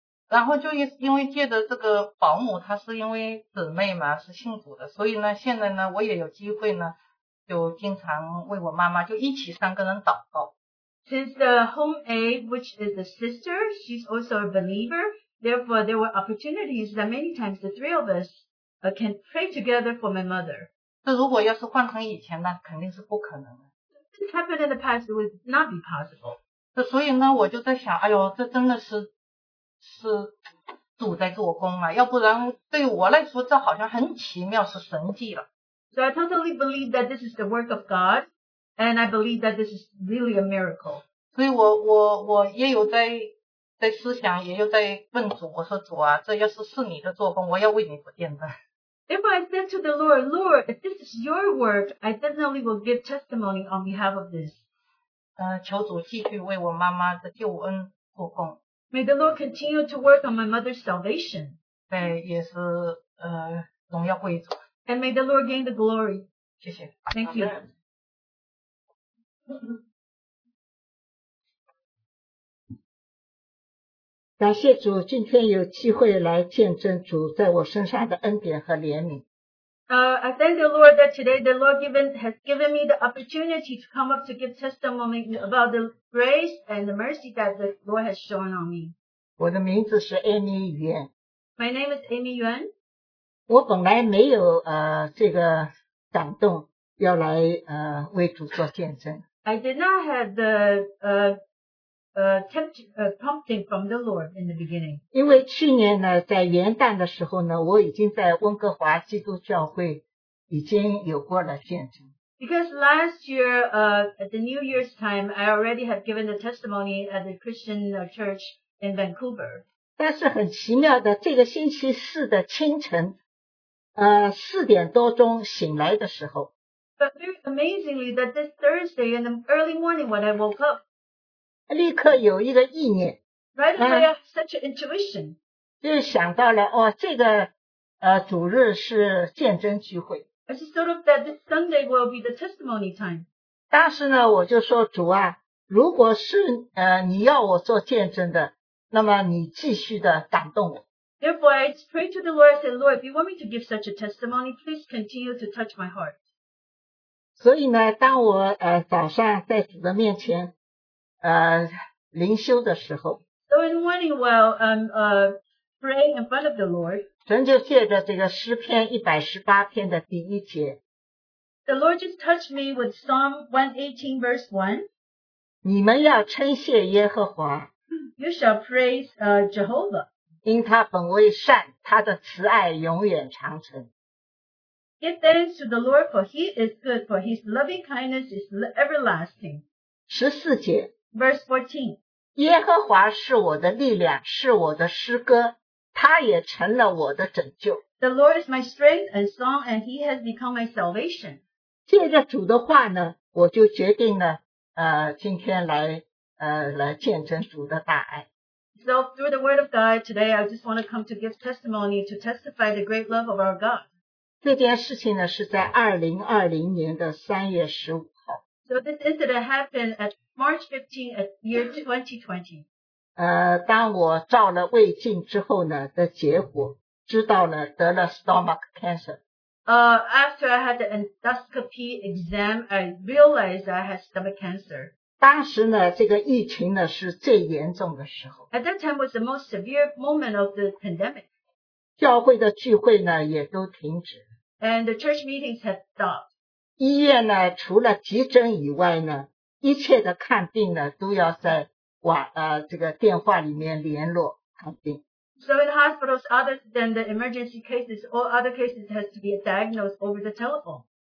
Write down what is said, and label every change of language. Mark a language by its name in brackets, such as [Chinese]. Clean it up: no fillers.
[Chinese] 然后就因为借着这个保姆，她是因为姊妹嘛，是信主的，所以呢，现在呢，我也有机会呢，就经常为我妈妈就一起三个人祷告。 [English] Since the home aid, which is a sister, she's also a believer, therefore there were opportunities that many times the three of us can pray together for my mother. [Chinese] 这如果要是换成以前呢，肯定是不可能的。 [English] This happened in the past, it would not be possible. [Chinese] 这所以呢，我就在想，哎呦，这真的是主在做工啊，要不然对我来说，这好像很奇妙，是神迹了。 [English] So I totally believe that this is the work of God, and I believe that this is really a miracle. [Chinese] 所以我也有在思想，也有在问主，我说主啊，这要是你的作工，我要为你所见证。 [English] If I said to the Lord, Lord, if this is your work, I definitely will give testimony on behalf of this. [Chinese] 求主继续为我妈妈的救恩做工。 [English] May the Lord continue to work on my mother's salvation. [Chinese] 对，也是荣耀归主。 [English] And may the Lord gain the glory. [Chinese] 谢谢。 [English] Thank you. [Chinese] 感谢主，今天有机会来见证主在我身上的恩典和怜悯。 [English] I thank the Lord that today the Lord has given me the opportunity to come up to give testimony about the grace and the mercy that the Lord has shown on me. [Chinese] 我的名字是 Amy Yuan. [English] My name is Amy Yuan. [Chinese] 我本来没有这个感动要来为主做见证。 [English] I did not have the prompting from the Lord in the beginning. [Chinese] 因为去年呢，在元旦的时候呢，我已经在温哥华基督教会已经有过了见证。 [English] Because last year, at the New Year's time, I already have given the testimony at the Christian church in Vancouver. [Chinese] 但是很奇妙的，这个星期四的清晨，四点多钟醒来的时候。 [English] But very amazingly that this Thursday in the early morning when I woke up, [Chinese] 立刻有一个意念。 [English] Right away, I have such an intuition. [Chinese] 就想到了哦，这个主日是见证聚会。 [English] I just thought of that this Sunday will be the testimony time. [Chinese] 当时呢，我就说主啊，如果是你要我做见证的，那么你继续的感动我。 [English] Therefore, I pray to the Lord, say, Lord, if you want me to give such a testimony, please continue to touch my heart. [Chinese] 所以呢，当我早上在主的面前灵修的时候。 [English] So in the morning, while praying in front of the Lord, [Chinese] 神就借着这个诗篇118篇的第一节。 [English] The Lord just touched me with Psalm 118 verse 1. [Chinese] 你们要称谢耶和华。 [English] You shall praise Jehovah. [Chinese] 因他本为善，他的慈爱永远长存。 [English] Give thanks to the Lord, for he is good, for his loving kindness is everlasting. [Chinese] 14节。 [English] Verse 14. [Chinese] 耶和华是我的力量，是我的诗歌，他也成了我的拯救。 [English] The Lord is my strength and song, and he has become my salvation. [Chinese] 借着主的话呢，我就决定了今天来见证主的大爱。 [English] So through the word of God today, I just want to come to give testimony to testify the great love of our God. [Chinese] 这件事情呢是在2020年的3月15号。 [English] So this incident happened at March 15th, year 2020. [Chinese] 当我照了胃镜之后呢的结果知道了得了 [English] stomach cancer. After I had the endoscopy exam, I realized I had stomach cancer. [Chinese] 当时呢这个疫情呢是最严重的时候。 [English] At that time was the most severe moment of the pandemic. [Chinese] 教会的聚会呢也都停止。 [English] And the church meetings had stopped. [Chinese] 医院呢，除了急诊以外呢，一切的看病呢，都要在这个电话里面联络看病。 [English] So in hospitals, other than the emergency cases, all other cases has to be diagnosed over the telephone.